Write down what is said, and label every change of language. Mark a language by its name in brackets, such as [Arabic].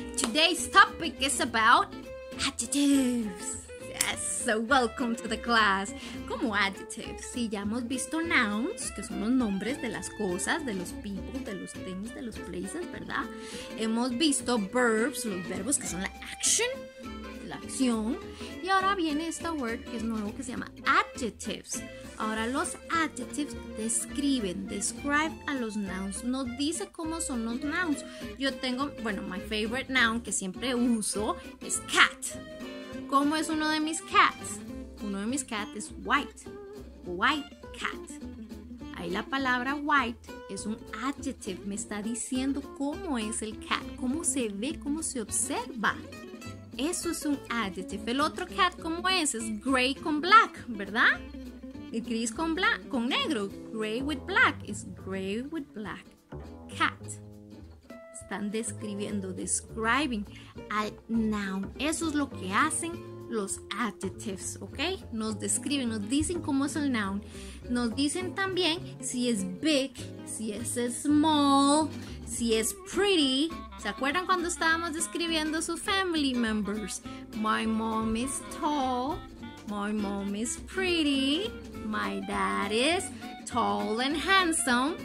[English] Today's topic is about adjectives. Yes, so welcome to the class. [Spanish] Como adjectives, si ya hemos visto nouns, que son los nombres de las cosas, de los people, de los things, de los places, ¿verdad? Hemos visto verbs, los verbos que son la action, la acción. Y ahora viene esta word que es nuevo que se llama adjectives. Ahora los adjectives describen, describe a los nouns, nos dice cómo son los nouns. Yo tengo, bueno, [English] my favorite noun [Spanish] que siempre uso es cat. ¿Cómo es uno de mis cats? Uno de mis cats es white, white cat. Ahí la palabra white es un adjective, me está diciendo cómo es el cat, cómo se ve, cómo se observa. Eso es un adjective. El otro cat, ¿cómo es? Es gray con black, ¿verdad? Gris con black, con negro. [English] Gray with black is gray with black cat. [Spanish] Están describiendo, describing al noun. Eso es lo que hacen los adjectives, ¿ok? Nos describen, nos dicen cómo es el noun. Nos dicen también si es big, si es small, si es pretty. ¿Se acuerdan cuando estábamos describiendo sus family members? [English] My mom is tall. My mom is pretty. My dad is tall and handsome.